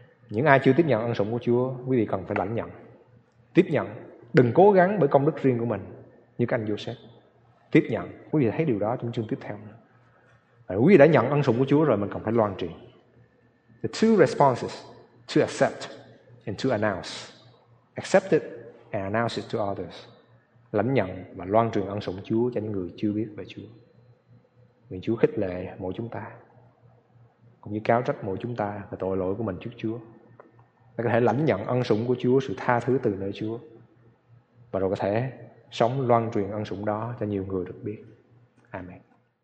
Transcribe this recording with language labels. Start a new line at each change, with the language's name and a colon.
Vietnamese: Những ai chưa tiếp nhận ân sủng của Chúa, quý vị cần phải lãnh nhận, tiếp nhận. Đừng cố gắng bởi công đức riêng của mình như các anh Joseph. Tiếp nhận, quý vị thấy điều đó trong chương tiếp theo. Quý vị đã nhận ân sủng của Chúa rồi, mình cần phải loan truyền.
English: The two responses to accept and to announce. Accept it and announce it to others.
Vietnamese: Lãnh nhận và loan truyền ân sủng Chúa cho những người chưa biết về Chúa. Nguyện Chúa khích lệ mỗi chúng ta, cũng như cáo trách mỗi chúng ta về tội lỗi của mình trước Chúa. Ta có thể lãnh nhận ân sủng của Chúa, sự tha thứ từ nơi Chúa, và rồi có thể sống loan truyền ân sủng đó cho nhiều người được biết. Amen.